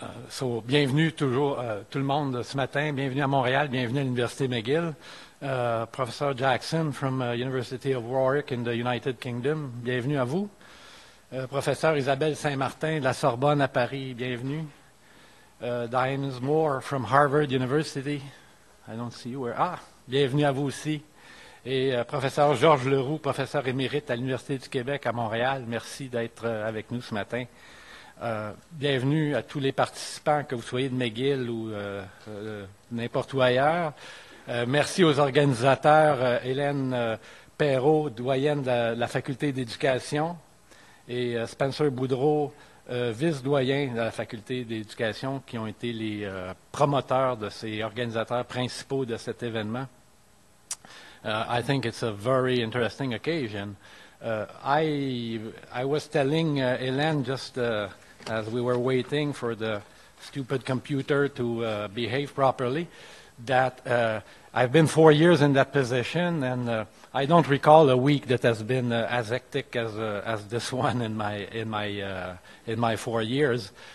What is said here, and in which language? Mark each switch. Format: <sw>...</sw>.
<fr>So, bienvenue toujours, tout le monde ce matin. Bienvenue à Montréal. Bienvenue à l'Université McGill.</fr> <en>Professor Jackson from University of Warwick in the United Kingdom.</en> <fr>Bienvenue à vous. Professor Isabelle Saint-Martin de la Sorbonne à Paris. Bienvenue.</fr> <en>Diane Moore from Harvard University. I don't see you.</en> <fr>Bienvenue à vous aussi. Et professeur Georges Leroux, professeur émérite à l'Université du Québec à Montréal. Merci d'être avec nous ce matin. Bienvenue à tous les participants, que vous soyez de McGill ou n'importe où ailleurs. Merci aux organisateurs, Hélène Perrault, doyenne de la Faculté d'éducation, et Spencer Boudreau, vice-doyen de la Faculté d'éducation, qui ont été les promoteurs de ces organisateurs principaux de cet événement.</fr> <en>I think it's a very interesting occasion. I was telling Hélène just as we were waiting for the stupid computer to behave properly, that I've been 4 years in that position, and I don't recall a week that has been as hectic as this one in my 4 years.</en>